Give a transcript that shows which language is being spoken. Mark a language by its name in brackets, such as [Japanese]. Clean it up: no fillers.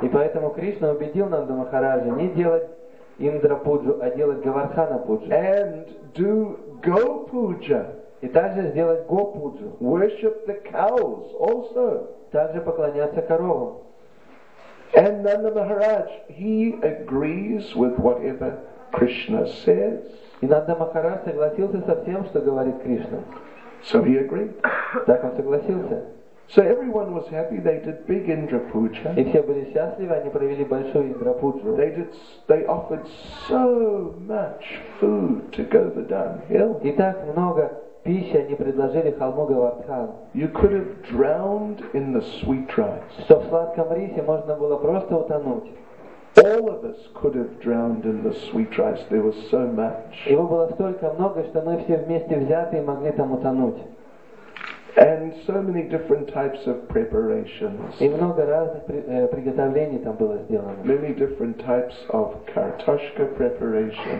[Russian] И поэтому Кришна убедил Нанда Махараджа не делать Индра Пуджу, а делать Говардхана Пуджу. [English] And do Go Puja. [Russian] И также сделать Го Пуджу. [English] Worship the cows also. [Russian] Также поклоняться коровам. [English] And Nanda Maharaj, he agrees with whatever Krishna says. [Russian] И Нанда Махарадж согласился со всем, что говорит Кришна. [English] So he agreed. [Russian] Так он согласился. [English] So everyone was happy. They did big Indra Puja. [Russian] И все были счастливы. Они провели большую Индра Пуджу. [English] They offered so much food to Govardhan Hill. [Russian] И так много пищи они предложили холму Говардхан. [English] You could have drowned in the sweet rice. [Russian] Что в сладком рисе можно было просто утонуть. [English] All of us could have drowned in the sweet rice. There was so much. [Russian] Его было столько много, что мы все вместе взятые могли там утонуть. [English] And so many different types of preparations. [Russian] И много разных приготовлений там было сделано. [English] Many different types of [Russian] картошка [English] preparations.